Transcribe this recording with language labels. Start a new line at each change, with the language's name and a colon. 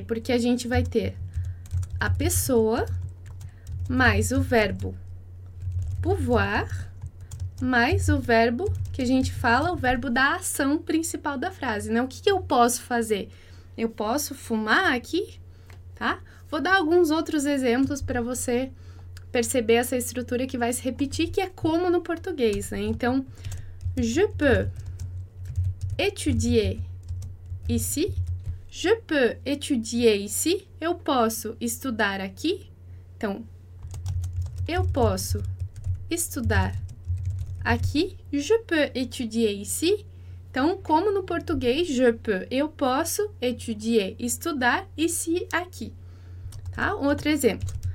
Portuguese: Porque a gente vai ter a pessoa mais o verbo pouvoir, mais o verbo que a gente fala, o verbo da ação principal da frase, né? O que que eu posso fazer? Eu posso fumar aqui, tá? Vou dar alguns outros exemplos para você perceber essa estrutura que vai se repetir, que é como no português, né?
French: Então, je peux étudier ici. Je peux étudier ici.
Portuguese: Eu posso estudar aqui. Então, eu posso estudar aqui.
French: Je peux étudier ici.
Portuguese: Então, como no português, je peux, eu posso étudier, estudar ici, aqui. Tá? Outro exemplo.